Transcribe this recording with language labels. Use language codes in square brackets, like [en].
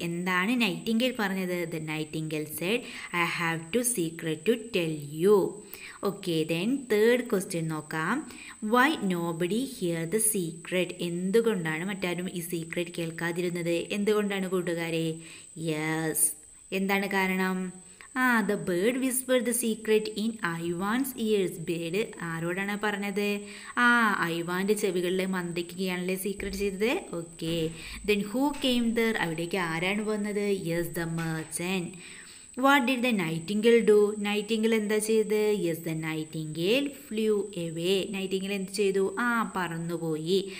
[ml] എന്താണ് നൈറ്റിംഗേൽ പറഞ്ഞത്? [en] The nightingale said, I have two secret to tell you. [ml] Okay, then third question നോക്കാം. [en] Why nobody hear the secret? [ml] എന്തുകൊണ്ടാണ് മറ്റാരും ഈ secret കേൾക്കാതിരുന്നത്? എന്തുകൊണ്ടാണ് കൂട്ടുകാരെ? യെസ്, എന്താണ് കാരണം? [en] The bird whispered the secret in Ivan's ears. [ml] Bird ആരോടാണ് പറഞ്ഞത്? ഐവാന്റെ ചെവികളിൽ മന്ത്രിക്കുകയാണല്ലേ സീക്രട്ട് ചെയ്തത്. [en] okay, then who came there, [ml] അവിടേക്ക് ആരാണ് വന്നത്? [en] Yes the merchant. What did the nightingale do, [ml] നൈറ്റിംഗിൽ എന്താ ചെയ്തത്? [en] yes the nightingale flew away, [ml] നൈറ്റിംഗിൽ എന്ത് ചെയ്തു? പറന്നുപോയി.